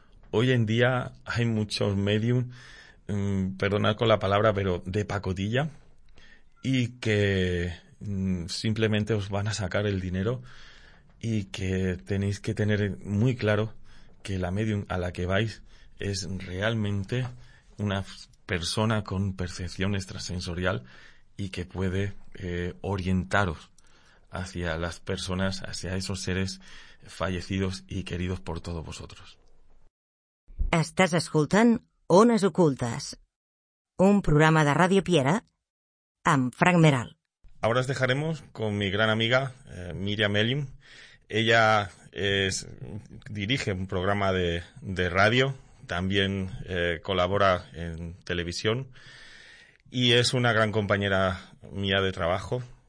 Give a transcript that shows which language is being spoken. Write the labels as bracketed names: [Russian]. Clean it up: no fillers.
[Spanish] Hoy en día hay muchos medium, perdonad con la palabra, pero de pacotilla, y que simplemente os van a sacar el dinero, y que tenéis que tener muy claro que la medium a la que vais es realmente una persona con percepción extrasensorial y que puede orientaros hacia las personas, hacia esos seres fallecidos y queridos por todos vosotros. [Catalan] Estàs escoltant Ones Ocultes, un programa de Radio Piera amb Frank Meral. [Spanish] Ahora os dejaremos con mi gran amiga Miriam Elim. Ella dirige un programa de radio, también colabora en televisión y es una gran compañera mía de trabajo.